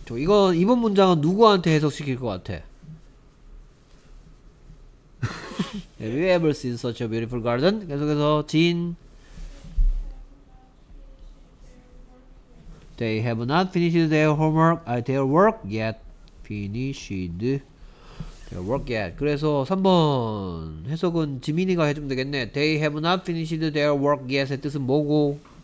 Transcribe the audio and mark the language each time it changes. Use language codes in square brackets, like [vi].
[ko] 이번 문장은 누구한테 해석시킬 것 같아? [en] Have you ever seen such a beautiful garden? [ko] 계속해서 진 [en] They have not finished their work yet. Finished their work yet. [ko] 그래서 3번 해석은 지민이가 해주면 되겠네. [en] They have not finished their work yet의 [ko] 뜻은 뭐고?